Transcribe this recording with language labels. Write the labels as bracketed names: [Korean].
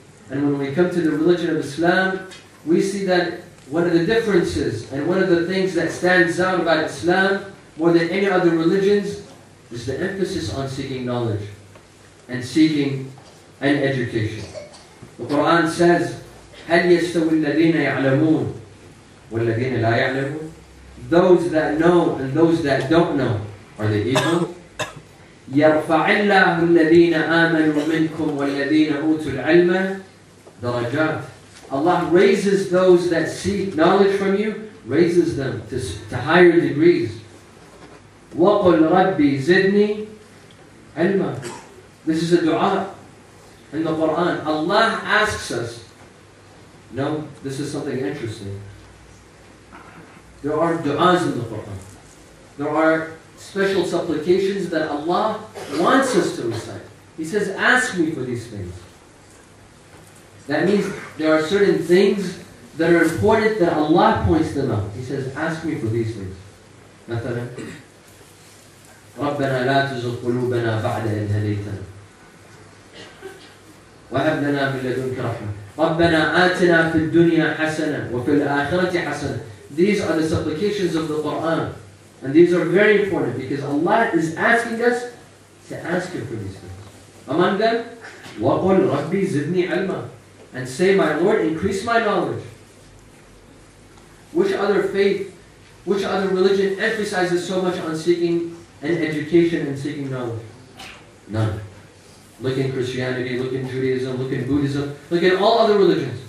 [English] And when we come to the religion of Islam, we see that one of the differences and one of the things that stands out about Islam more than any other religions, is the emphasis on seeking knowledge and seeking an education. The Quran says, [Arabic] هل يستوي الذين يعلمون والذين لا يعلمون? [English] Those that know and those that don't know, are they equal? [Arabic] يرفع الله الذين آمنوا منكم والذين أوتوا العلم درجات. [English] Allah raises those that seek knowledge from you, raises them to higher degrees. [Arabic] وقل ربي زدني علما. [English] This is a dua in the Quran. Allah asks us. No, this is something interesting. There are du'as in the Quran. There are special supplications that Allah wants us to recite. He says, ask me for these things. That means there are certain things that are important that Allah points them out. He says, ask me for these things. [Arabic] مثلا ربنا لا تزغ قلوبنا بعد إن هديتنا وهب لنا من لدنك رحمة ربنا آتنا في الدنيا حسنة وفي الآخرة حسنة. [English] These are the supplications of the Quran. And these are very important because Allah is asking us to ask Him for these things. Among them, [Arabic] وَقُلْ رَبِّي زِدْنِي عَلْمًا. [English] And say, my Lord, increase my knowledge. Which other faith, which other religion emphasizes so much on seeking an education and seeking knowledge? None. Look in Christianity, look in Judaism, look in Buddhism, look in all other religions.